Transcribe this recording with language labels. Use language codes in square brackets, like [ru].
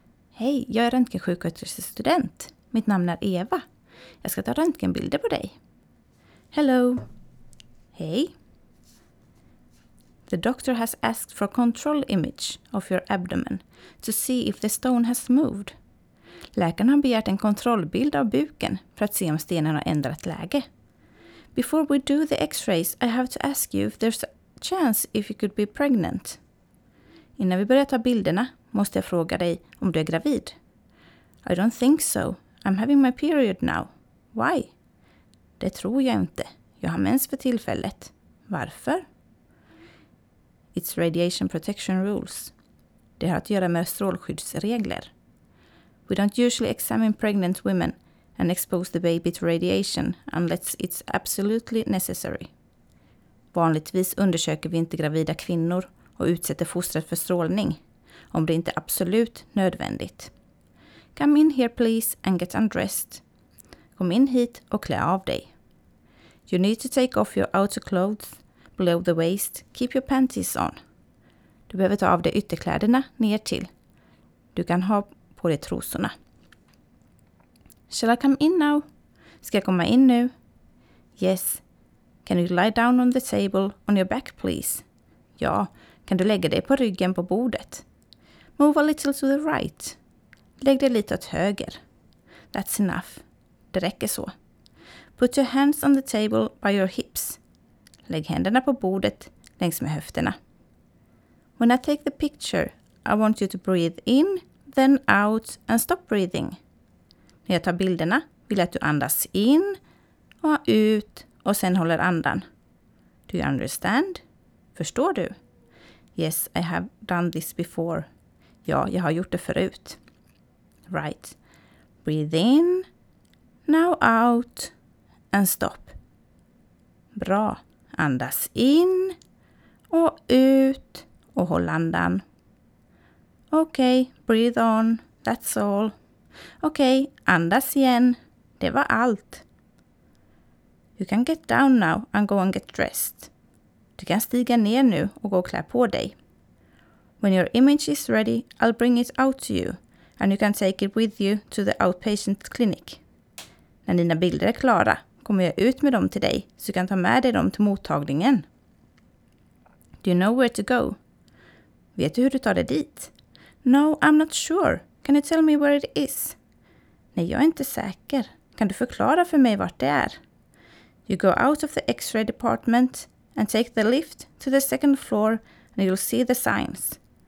[sv] Hej, jag är röntgensjuksköterskestudent. Mitt namn är Eva. Jag ska ta röntgenbilder på dig. [en] Hello. [sv] Hej. [en] The doctor has asked for a control image of your abdomen to see if the stone has moved. [sv] Läkaren har begärt en kontrollbild av buken för att se om stenen har ändrat läge. [en] Before we do the X-rays, I have to ask you if there's a chance if you could be pregnant. [sv] Innan vi börjar ta bilderna måste jag fråga dig om du är gravid. [en] I don't think so. I'm having my period now. Why? [sv] Det tror jag inte. Jag har mens för tillfället. Varför? [en] It's radiation protection rules. [sv] Det har att göra med strålskyddsregler. [en] We don't usually examine pregnant women and expose the baby to radiation unless it's absolutely necessary. [sv] Vanligtvis undersöker vi inte gravida kvinnor och utsätter fostret för strålning om det inte är absolut nödvändigt. [en] Come in here please and get undressed. [sv] Kom in hit och klä av dig. [en] You need to take off your outer clothes below the waist. Keep your panties on. [sv] Du behöver ta av dig ytterkläderna ner till. Du kan ha på dig trosorna. [en] Shall I come in now? [sv] Ska jag komma in nu? [en] Yes. Can you lie down on the table on your back please? [sv] Ja, kan du lägga dig på ryggen på bordet? [en] Move a little to the right. [sv] Lägg dig lite åt höger. [en] That's enough. [sv] Det räcker så. [en] Put your hands on the table by your hips. [sv] Lägg händerna på bordet längs med höfterna. [en] When I take the picture, I want you to breathe in, then out and stop breathing. [sv] När jag tar bilderna vill jag att du andas in och ut och sen håller andan. [en] Do you understand? [sv] Förstår du? [en] Yes, I have done this before. [sv] Ja, jag har gjort det förut. [en] Right. Breathe in. Now out. And stop. [sv] Bra. Andas in. Och ut. Och håll andan. Okay. [en] Breathe on. That's all. [sv] Okay. Andas igen. Det var allt. [en] You can get down now and go and get dressed. [sv] Du kan stiga ner nu och gå och klä på dig. [en] When your image is ready, I'll bring it out to you and you can take it with you to the outpatient clinic. [sv] När dina bilder är klara kommer jag ut med dem till dig så du kan ta med dig dem till mottagningen. [en] Do you know where to go? [sv] Vet du hur du tar dig dit? [en] No, I'm not sure. Can you tell me where it is? [sv] Nej, jag är inte säker. Kan du förklara för mig vart det är? [en] You go out of the X-ray department and take the lift to the second floor and you'll see the signs.